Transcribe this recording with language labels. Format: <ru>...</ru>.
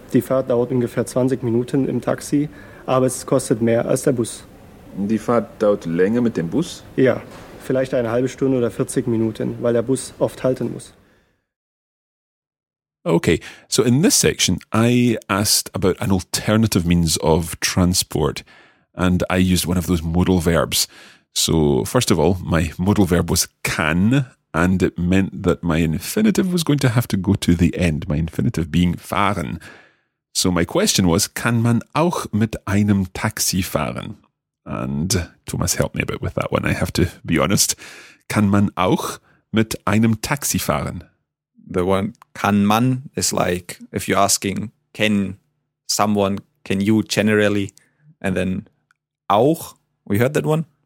<de>Die Fahrt dauert ungefähr 20 Minuten im Taxi, aber es kostet mehr als der Bus. Die Fahrt dauert länger mit dem Bus? Ja, vielleicht eine halbe Stunde oder 40 Minuten, weil der Bus oft halten muss.</de> <en>Okay, so in this section I asked about an alternative means of transport and I used one of those modal verbs. So first of all, my modal verb was kann. And it meant that my infinitive was going to have to go to the end, my infinitive being fahren. So my question was,</en> <de>kann man auch mit einem Taxi fahren?</de> <en>And Thomas helped me a bit with that one, I have to be honest.</en> <de>Kann man auch mit einem Taxi fahren?</de> <en>The one kann man is like, if you're asking, can someone, can you generally? And then auch, we heard that one</en>